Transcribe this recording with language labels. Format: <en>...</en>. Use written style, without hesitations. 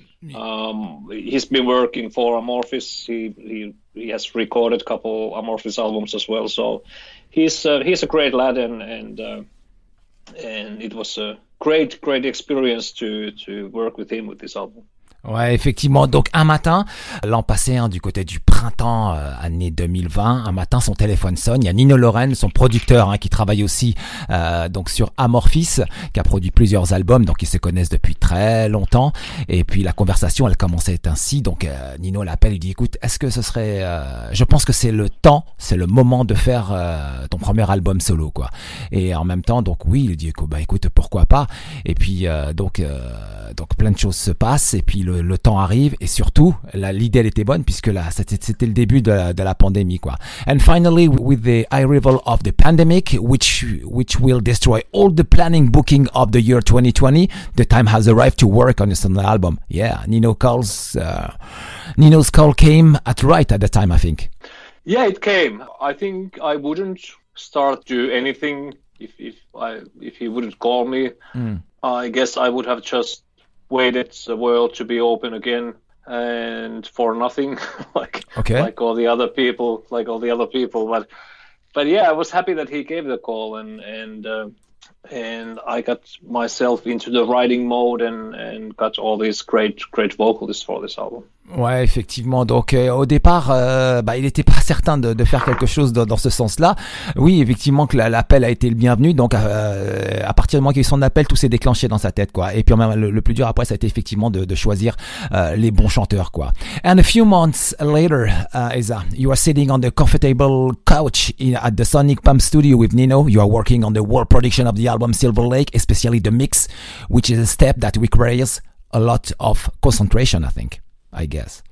<en>He's been working for Amorphis. He has recorded a couple Amorphis albums as well. So he's a great lad, and it was a great experience to work with him with this album.</en> <fr>Ouais, effectivement. Donc un matin, l'an passé, hein, du côté du printemps, année 2020, un matin, son téléphone sonne. Il y a Nino Loren, son producteur, hein, qui travaille aussi donc sur Amorphis, qui a produit plusieurs albums, donc ils se connaissent depuis très longtemps. Et puis la conversation, elle commençait ainsi. Donc Nino l'appelle, il dit, écoute, est-ce que ce serait, je pense que c'est le temps, c'est le moment de faire ton premier album solo, quoi. Et en même temps, donc oui, il dit, bah écoute, pourquoi pas. Et puis donc plein de choses se passent. Et puis le temps arrive, et surtout l'idée elle était bonne, puisque là, c'était, c'était le début de la pandémie, quoi.</fr> <en>And finally, with the arrival of the pandemic, which will destroy all the planning booking of the year 2020, the time has arrived to work on a solo album. Yeah, Nino's call came at the time, I think. Yeah, it came. I think I wouldn't start do anything if he wouldn't call me. I guess I would have just waited the world to be open again and for nothing, like all the other people. But yeah, I was happy that he gave the call and I got myself into the writing mode and got all these great vocalists for this album.</en> <fr>Ouais, effectivement. Donc, au départ, il n'était pas certain de faire quelque chose dans ce sens-là. Oui, effectivement, que l'appel a été le bienvenu. Donc, à partir du moment qu'il y a eu son appel, tout s'est déclenché dans sa tête, quoi. Et puis, même le plus dur après, ça a été effectivement de choisir les bons chanteurs, quoi.</fr> <en>And a few months later, Eza, you are sitting on the comfortable couch at the Sonic Pump Studio with Nino. You are working on the world production of the album Silver Lake, especially the mix, which is a step that requires a lot of concentration, I think. I guess.</en>